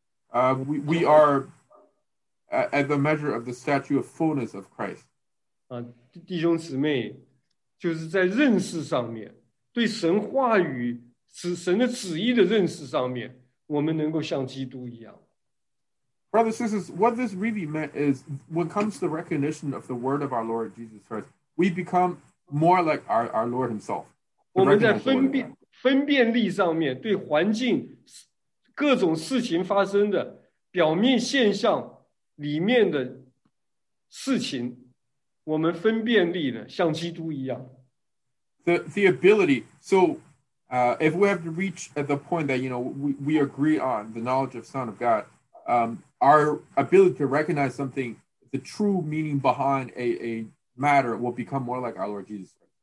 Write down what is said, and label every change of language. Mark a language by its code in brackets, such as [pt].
[en] We are at the measure of the stature of fullness of Christ. [zh] 弟兄姊妹，就是在认识上面。对神话语,神的旨意的认识上面,我们能够像基督一样。Brothers [en] and sisters, what this really meant is, when it comes to the recognition of the word of our Lord Jesus Christ, we become more like our Lord himself. [zh] 我们在分辨力上面,对环境,各种事情发生的,表面现象里面的事情,我们分辨力呢,像基督一样。 [en] The ability, so if we have to reach at the point that, you know, we agree on the knowledge of Son of God, our ability to recognize something, the true meaning behind a matter will become more like our Lord Jesus.